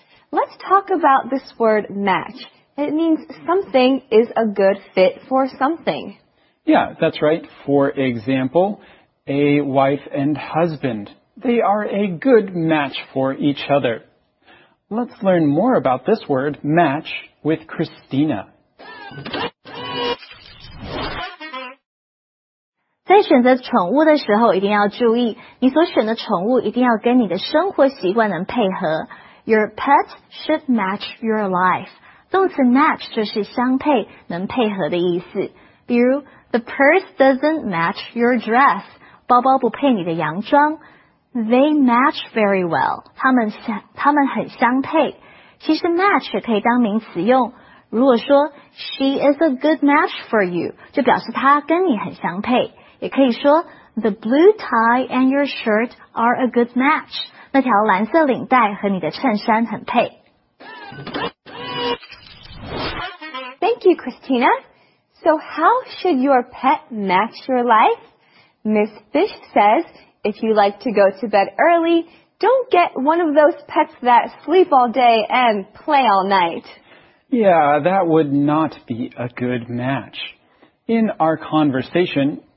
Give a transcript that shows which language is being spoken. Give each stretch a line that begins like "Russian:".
English: Let's talk about this word match. It means something is a good fit for something. Yeah, that's right. For example, a wife and husband. They are a good match for each other. Let's learn more about this word match with Christina.
Chinese: 在选择宠物的时候一定要注意你所选的宠物一定要跟你的生活习惯能配合
English: Your pet should match your life
Chinese: 动词 match 就是相配能配合的意思比如
English: The purse doesn't match your dress
Chinese: 包包不配你的洋装
English: They match very well
Chinese: 他们很相配其实 match 也可以当名词用如果说
English: She is a good match for you
Chinese: 就表示她跟你很相配也可以说
English: The blue tie and your shirt are a good match.
Chinese: 那条蓝色领带和你的衬衫很配。
English: Thank you, Christina. So how should your pet match your life? Miss Fish says, if you like to go to bed early, don't get one of those pets that sleep all day and play all night. Yeah, that would not be a good match. In our conversation...